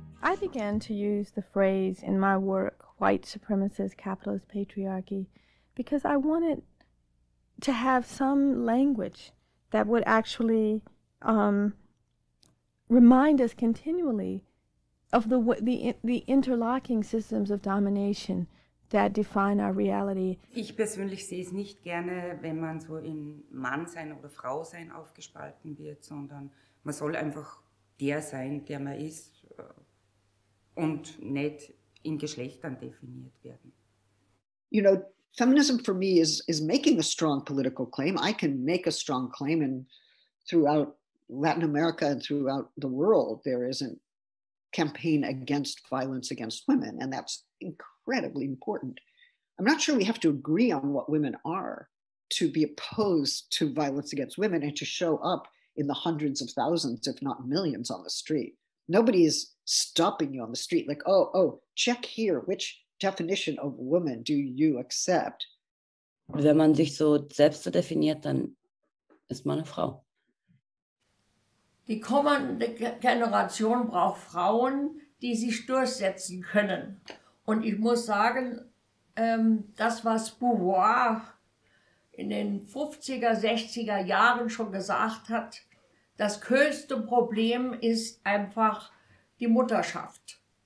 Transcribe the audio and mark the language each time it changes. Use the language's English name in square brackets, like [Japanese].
[English] I began to use the phrase in my work, white supremacist capitalist patriarchy, because I wanted to have some language that would actually remind us continually of the interlocking systems of domination that define our reality. [German] Ich persönlich sehe es nicht gerne, wenn man so in Mann sein oder Frau sein aufgespalten wird, sondern man soll einfach der sein, der man ist und nicht in Geschlechtern definiert werden. [English] You know, feminism for me is making a strong political claim. I can make a strong claim, and throughout Latin America and throughout the world, there is a campaign against violence against women, and that's incredibly important. I'm not sure we have to agree on what women are to be opposed to violence against women and to show up in the hundreds of thousands, if not millions, on the street. Nobody is stopping you on the street, like, oh, check here, which definition of woman do you accept? [German] Wenn man sich so selbst so definiert, dann ist man eine Frau. Die kommende Generation braucht Frauen, die sich durchsetzen können. Und ich muss sagen, das, was Beauvoir in den 50er, 60er Jahren schon gesagt hat, das größte Problem ist einfach die Mutterschaft.